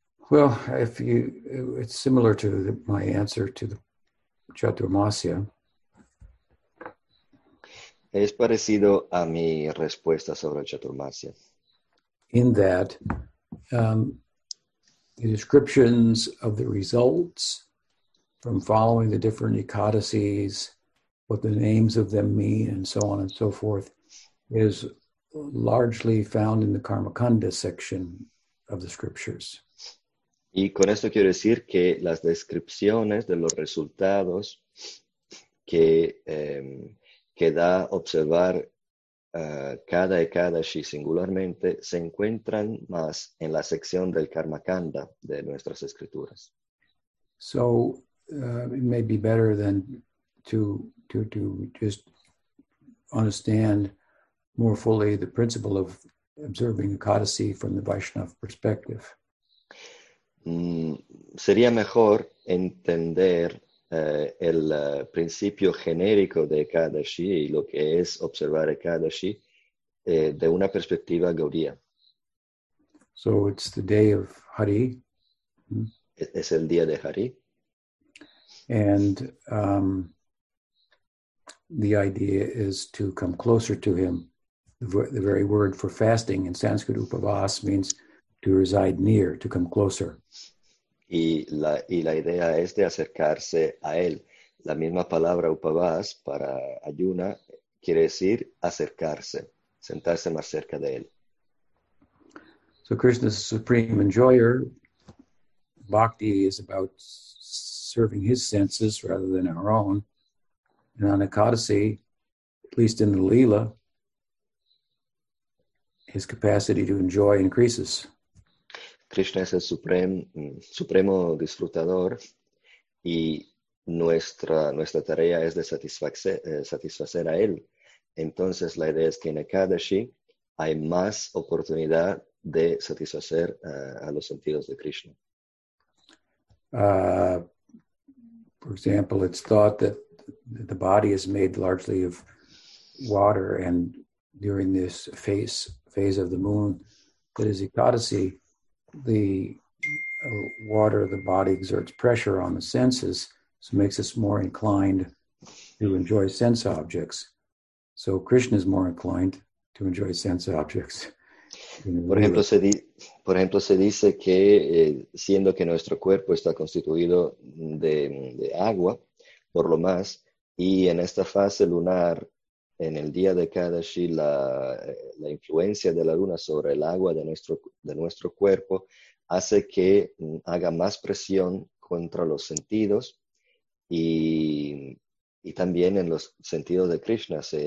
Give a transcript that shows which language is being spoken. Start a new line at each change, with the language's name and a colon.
English: Well, it's similar to my answer to the Chaturmasya.
Spanish: Es parecido a mi respuesta sobre el Chaturmasya.
English: In that, the descriptions of the results from following the different ekadasis, what the names of them mean, and so on and so forth, is largely found in the Karmakanda section of the scriptures.
Spanish: Y con esto quiero decir que las descripciones de los resultados que da observar cada Ekadashi singularmente se encuentran más en la sección del Karmakanda de nuestras escrituras.
English: So, it may be better than to just understand more fully the principle of observing a codice from the Vaishnava perspective.
Spanish: Sería mejor entender el principio genérico de Ekadashi y lo que es observar Ekadashi de una perspectiva gaudía.
English: So it's the day of Hari.
Spanish: Es el día de Hari.
English: And the idea is to come closer to him. The very word for fasting in Sanskrit, upavas, means to reside near, to come closer.
Spanish: Y la idea es de acercarse a él. La misma palabra upavas para ayuna quiere decir acercarse, sentarse más cerca de él.
English: So Krishna is the supreme enjoyer. Bhakti is about serving his senses rather than our own. And on Ekadasi, at least in the Leela, his capacity to enjoy increases.
Spanish: Krishna es el supremo disfrutador y nuestra tarea es de satisfacer a él. Entonces la idea es que en Ekadashi hay más oportunidad de satisfacer a los sentidos de Krishna.
English: For example, it's thought that the body is made largely of water, and during this phase of the moon, that is Ekadasi, the water of the body exerts pressure on the senses, so makes us more inclined to enjoy sense objects. So Krishna is more inclined to enjoy sense objects.
Spanish: Por ejemplo, se dice que siendo que nuestro cuerpo está constituido de agua, por lo más, y en esta fase lunar, en el día de Ekadashi, la influencia de la luna sobre el agua de nuestro cuerpo hace que haga más presión contra los sentidos y también en los sentidos de Krishna.